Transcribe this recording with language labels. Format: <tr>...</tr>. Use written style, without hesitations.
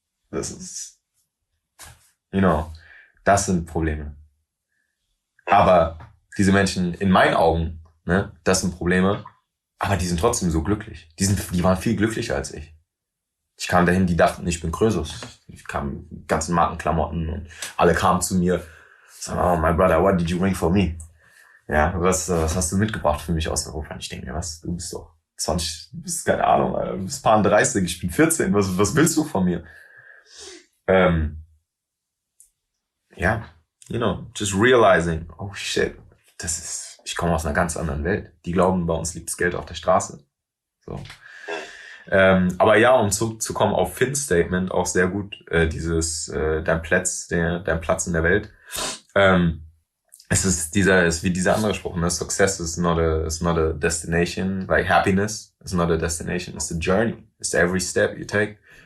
<de>Das ist, you know, das sind Probleme. Aber diese Menschen in meinen Augen, ne, das sind Probleme, aber die sind trotzdem so glücklich. Die waren viel glücklicher als ich. Ich kam dahin, die dachten, ich bin Krösus. Ich kam mit ganzen Markenklamotten und alle kamen zu mir.</de> <en>Oh, my brother, what did you bring for me?</en> <de>Ja, was hast du mitgebracht für mich aus Europa? Und ich denke mir, was, du bist doch 20, du bist keine Ahnung, du bist paar 30, ich bin 14, was willst du von mir? Ja, you know, just realizing, oh shit, ich komme aus einer ganz anderen Welt. Die glauben, bei uns liegt das Geld auf der Straße. So. Aber ja, um zurückzukommen auf Finns Statement, auch sehr gut, dein Platz in der Welt. Es ist wie dieser andere Spruch, ne?</de> <en>Success is not a destination, like happiness is not a destination, it's a journey, it's every step you take.</en>